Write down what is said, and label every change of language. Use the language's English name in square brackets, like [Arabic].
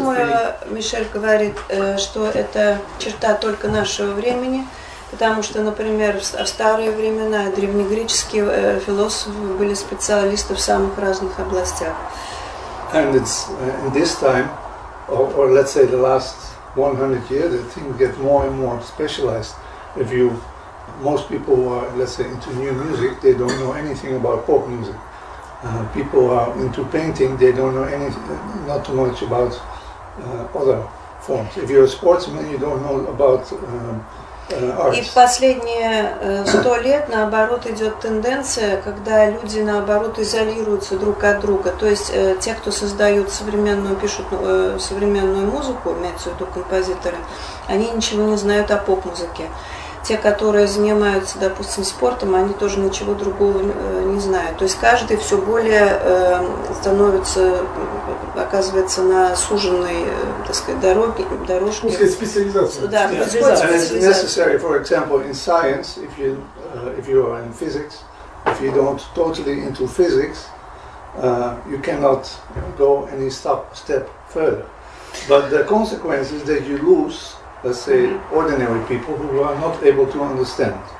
[Russian] Не думаю, Мишель говорит, что это черта только нашего времени, потому что, например, в старые времена древнегреческие философы были специалисты в самых разных областях. [English] And it's in this time, or let's say the last 100 years, the things get more and more specialized. If you, most people who are, let's say, into new music, they don't know anything about pop music. People who are into painting, they don't know anything, not too much about other forms. If you're a sportsman, you don't know about [Russian] И в последние 100 лет, наоборот, идет тенденция, когда люди, наоборот, изолируются друг от друга. То есть те, кто создают современную, пишут современную музыку, имеется в виду композиторы, они ничего не знают о поп-музыке. Те, которые занимаются, допустим, спортом, они тоже ничего другого не знают. То есть каждый все более становится, оказывается на суженной, так сказать, дорожке. Специализация. Да, [English] and it's necessary, for example, in science, if you are in physics, if you don't totally into physics, you cannot go any step further. But the consequence is that you lose, let's say, ordinary people who are not able to understand.